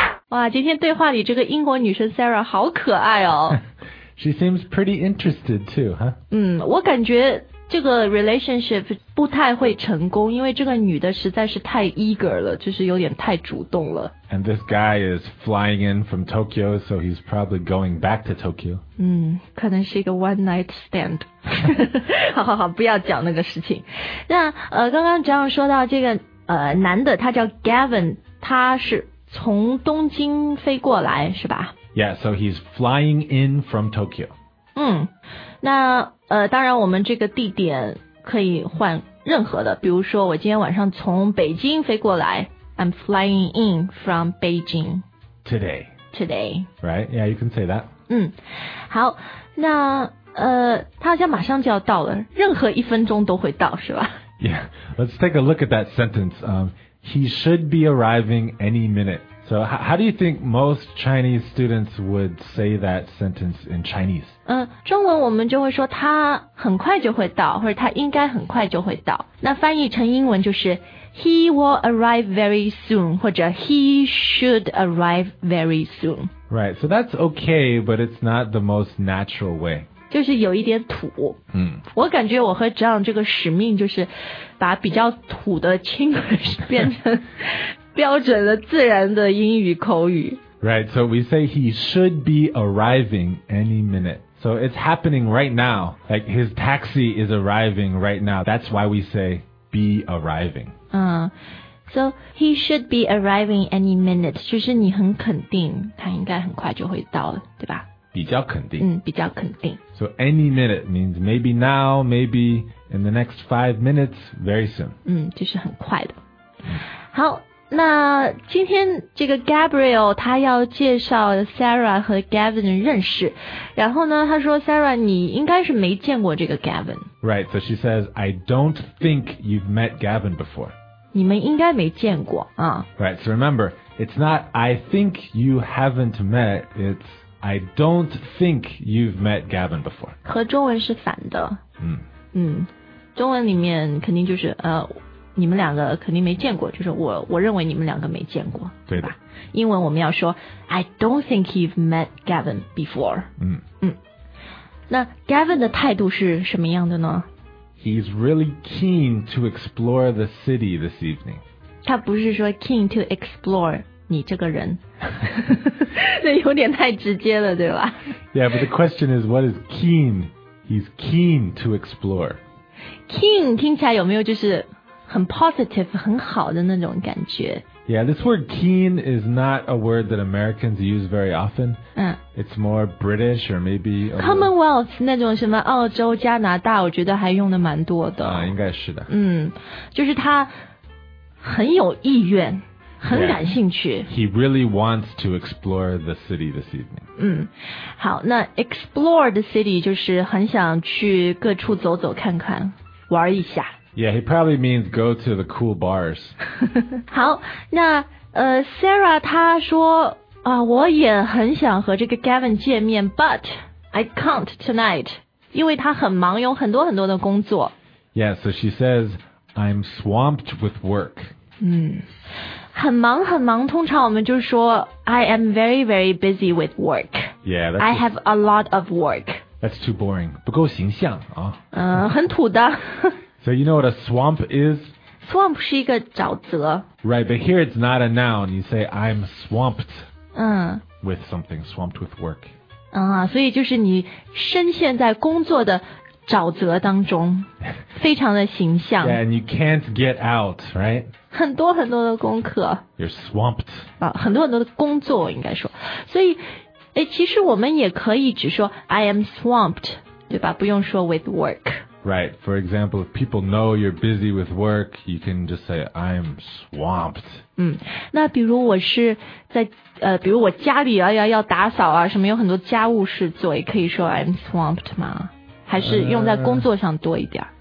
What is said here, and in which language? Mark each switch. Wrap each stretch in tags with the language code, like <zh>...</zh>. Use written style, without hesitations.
<zh>Wow, 今天对话里这个英国女生 Sarah 好可爱哦。</zh> <en>She seems pretty interested too, huh?</en> <zh>我感觉这个 relationship 不太会成功，因为这个女的实在是太 eager 了，就是有点太主动了。</zh> <en>And this guy is flying in from Tokyo, so he's probably going back to Tokyo.</en> <zh>可能是一个</zh> <en>one night stand.</en> <zh>好好好，不要讲那个事情。那刚刚John说到这个男的，他叫 Gavin， 他是从东京飞过来，是吧？</zh> <en>Yeah, so he's flying in from Tokyo.</en> <zh>那当然我们这个地点可以换任何的，比如说我今天晚上从北京飞过来，</zh> <en>I'm flying in from Beijing today. Right, yeah, you can say that.</en> <zh>好，那他好像马上就要到了，任何一分钟都会到，是吧？</zh> <en>Yeah, let's take a look at that sentence. He should be arriving any minute. So how do you think most Chinese students would say that sentence in Chinese?</en> <zh>中文我们就会说他很快就会到，或者他应该很快就会到。那翻译成英文就是</zh> <en>He will arrive very soon,</en> <zh>或者</zh> <en>He should arrive very soon. Right, so that's okay, but it's not the most natural way.</en> <zh>就是有一点土。我感觉我和 John 这个使命就是把比较土的 English 变成标准的自然的英语口语。</zh> <en>Right, so we say he should be arriving any minute. So it's happening right now. Like his taxi is arriving right now. That's why we say be arriving. So he should be arriving any minute.</en> <zh>就是你很肯定他应该很快就会到了，对吧？比较肯定。比较肯定。</zh> <en>So any minute means maybe now, maybe in the next 5 minutes, very soon.</en> <zh>就是很快的。好，那今天这个 Gabriel 他要介绍 Sarah 和 Gavin 认识，然后呢他说 Sarah 你应该是没见过这个 Gavin。</zh> <en>Right, so she says I don't think you've met Gavin before.</en> <zh>你们应该没见过啊。</zh> <en>Right, so remember, it's not I think you haven't met, it's I don't think you've met Gavin before.</en> <zh>和中文是反的。中文里面肯定就是你们两个肯定没见过，就是我认为你们两个没见过，对吧？英文我们要说</zh> <en>I don't think you've met Gavin before.</en> <zh>那 Gavin 的态度是什么样的呢？</zh> <en>He's really keen to explore the city this evening.</en> <zh>他不是说</zh> <en>keen to explore</en> <zh>你这个人，那有点太直接了，对吧？</zh> <en>Yeah, but the question is, what is keen? He's keen to explore.</en> <zh>Keen 听起来有没有就是很 positive 很好的那种感觉，</zh> <en>Yeah, this word keen is not a word that Americans use very often. It's more British or maybe...</en> <zh>Commonwealth, 那种什么澳洲、加拿大，我觉得还用的蛮多的。应该是的。就是他很有意愿。很感兴趣。</zh> <en>Yeah. He really wants to explore the city this evening.</en> <zh>好，那 explore the city 就是很想去各处走走看看，玩一下。</zh> <en>Yeah, he probably means go to the cool bars.</en> <zh>好，那Sarah 她说我也很想和这个 Gavin 见面 ，</zh> <en>but I can't tonight.</en> <zh>因为他很忙，有很多很多的工作。</zh> <en>Yeah, so she says I'm swamped with work.</en> <zh>很忙很忙，通常我们就说</zh> <en>I am very very busy with work. Yeah, I have a lot of work. That's too boring.</en> <zh>不够形象啊。很土的。</zh> <en>So you know what a swamp is?</en> <zh>Swamp 是一个沼泽。</zh> <en>Right, but here it's not a noun. You say I'm swamped. With something, swamped with work.</en> <zh>所以就是你深陷在工作的沼泽当中，非常的形象。</zh> <en>Yeah, and you can't get out, right?</en> <zh>很多很多的功课</zh> <en>You're swamped.</en> <zh>很多很多的工作应该说。所以其实我们也可以只说</zh> <en>I am swamped,</en> <zh>对吧不用说</zh> <en>with work. Right, for example, if people know you're busy with work, you can just say I'm swamped.</en> <zh>那比如我是在比如我家里要打扫啊什么有很多家务事做也可以说</zh> <en>I'm swamped</en> <zh>吗还是用在工作上多一点</zh>